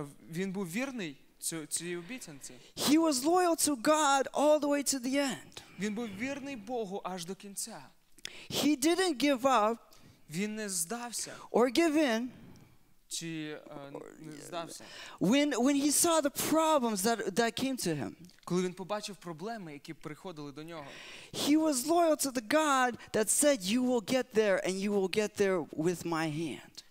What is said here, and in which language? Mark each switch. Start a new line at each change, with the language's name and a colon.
Ukrainian: Він був вірний цій обіцянці.
English: He was loyal to God all the way to the end.
Ukrainian: Він був вірний Богу аж до кінця.
English: He didn't give up.
Ukrainian: Він не здався.
English: Or give in.
Ukrainian: Чи не здався.
English: When he saw the problems that came to him.
Ukrainian: Коли він побачив проблеми, які приходили до нього.
English: He was loyal to the God that said, you will get there and you will get there with my hand.